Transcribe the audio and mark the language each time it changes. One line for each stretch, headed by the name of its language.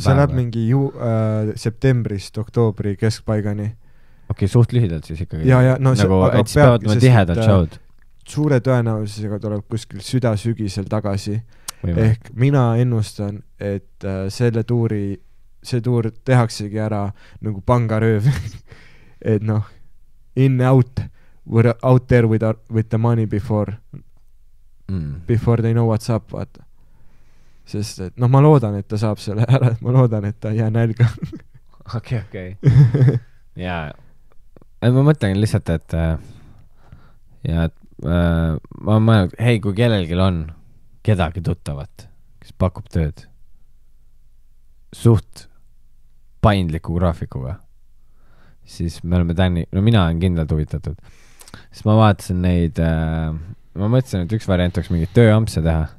Estonian: See läheb mingi septembrist oktoobri keskpaigani. Okei, suht lühidalt siis ikkagi. Ja, no, nagu, see, et siis peavad ma tihedalt showd. Suure tõenäosusega tuleb kuskil süda sügisel tagasi. Võimalt. Ehk mina ennustan, et selle tuuri see tuur tehaksegi ära nagu pangarööv. Et noh,
English: in out, we're out there with the money before they know what's up.
Estonian: Vaata. Sest, et noh, ma loodan, et ta saab selle ära, et ma loodan, et ta ei jää nälga. Okei. Ja ma mõtlen lihtsalt, et ja ma mõelnud, hei, kui kellelgi on kedagi tuttavat, kes pakub tööd suht paindliku graafikuga, siis me oleme täni, no mina olen kindlalt huvitatud, siis ma vaatasin neid, ma mõtlesin, et üks variant oleks mingi tööampse teha.